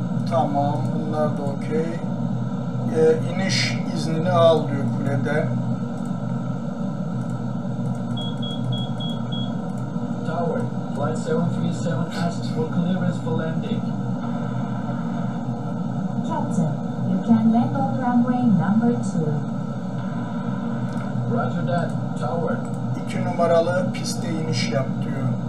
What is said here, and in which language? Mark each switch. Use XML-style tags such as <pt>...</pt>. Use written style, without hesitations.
<tr>Tamam, bunlar da okey. İniş iznini al diyor kulede.</tr> <en>Tower, flight 737 asks for clearance for landing. Captain, you can land on runway number 2. Roger that, tower.</en> <tr>2 numaralı piste iniş yap diyor.</tr>